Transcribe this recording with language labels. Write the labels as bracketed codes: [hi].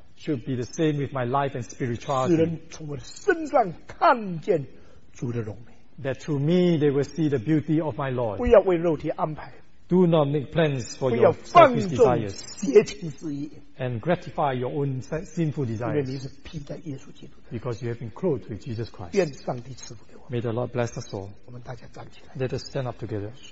[en] Should be the same with my life and spirituality. [zh] 使人从我的身上看见主的荣美 [en] That through me, they will see the beauty of my Lord. [zh] 不要为肉体安排 [en] Do not make plans for your selfish desires. [zh] 不要放纵邪情私欲 [en] And gratify your own sinful desires. Because you have been clothed with Jesus Christ. May the Lord bless us all. Let us stand up together.